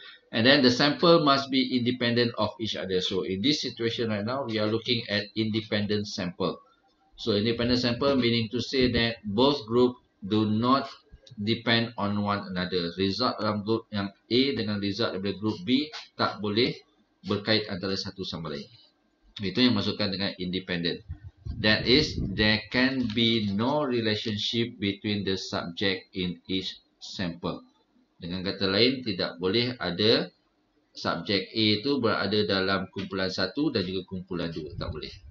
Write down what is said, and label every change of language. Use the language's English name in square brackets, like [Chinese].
[English] And then the sample must be independent of each other. So in this situation right now, we are looking at independent sample. So independent sample meaning to say that both group do not depend on one another. [Malay] Result dalam group yang A dengan result daripada group B tak boleh berkait antara satu sama lain. Itu yang masukkan dengan independent. [English] That is, there can be no relationship between the subject in each sample. [Malay] Dengan kata lain, tidak boleh ada subjek A itu berada dalam kumpulan 1 dan juga kumpulan 2. Tak boleh.